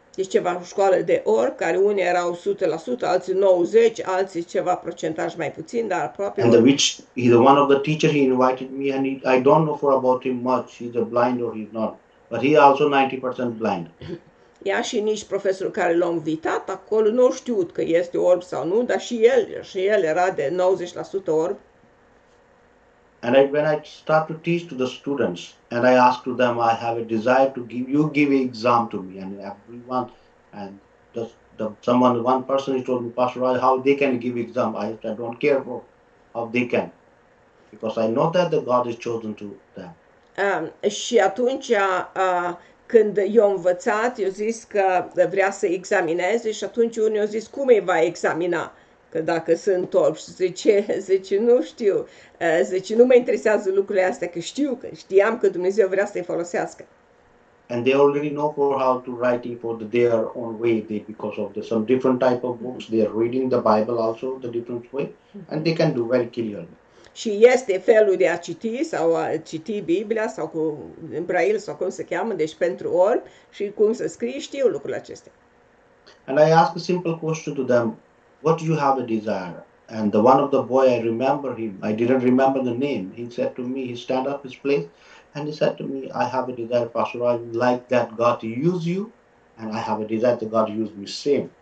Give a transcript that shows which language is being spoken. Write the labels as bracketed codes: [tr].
[ro] Deci ceva școală de orb, care unii erau 100%, alții 90%, alții ceva procentaj mai puțin, dar aproape. [en] And the which he's one of the teacher he invited me and I don't know for about him much, he's a blind or he's not, but he also 90% blind. [ro] Ia și nici profesorul care l-a invitat acolo nu știut că este orb sau nu, dar și el era de 90% orb. [en] And when I start to teach to the students, and I ask to them, I have a desire to give you give an exam to me, and everyone, and the someone one person he told me, Pastor Raj, how they can give exam? I don't care for how they can, because I know that the God is chosen to them. [ro] Și atunci când eu învățat, eu zis că vrea să examineze, și atunci unii au zis cum îi va examina? Că dacă sunt orb, zice, nu știu, zice, nu mă interesează lucrurile astea, că știu, că știam că Dumnezeu vrea să-i folosească. [en] And they already know for how to write for their own way, they, because of the, some different type of books, they are reading the Bible also the different way, and they can do very clearly. [ro] Și este felul de a citi sau a citi Biblia sau cu în Braille sau cum se cheamă, deci pentru orb și cum să scrii, știu lucrurile acestea. [en] And I ask a simple question to them. What do you have a desire? And the one of the boy, I remember him. I didn't remember the name. He said to me, he stand up his place, and he said to me, I have a desire, Pastor. I like that God to use you, and I have a desire that God use me same.